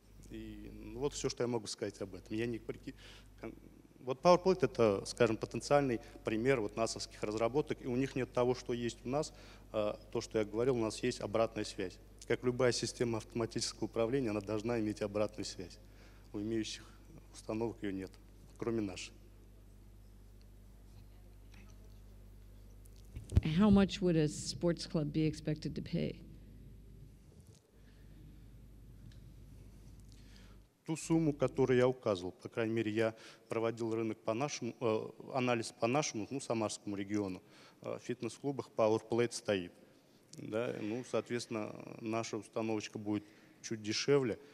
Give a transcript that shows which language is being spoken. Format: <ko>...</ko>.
<ru>И ну, вот все, что я могу сказать об этом. Я не Вот PowerPlate — это, скажем, потенциальный пример вот НАСАвских разработок, и у них нет того, что есть у нас, то, что я говорил, у нас есть обратная связь. Как любая система автоматического управления, она должна иметь обратную связь. У имеющих установок ее нет, кроме нашей.</ru> <en>How much would a sports club be expected to pay?</en> <ru>Ту сумму, которую я указывал, по крайней мере, я проводил рынок по нашему, анализ по нашему, ну, Самарскому региону, в фитнес-клубах PowerPlate стоит. Да, ну, соответственно, наша установочка будет чуть дешевле.</ru>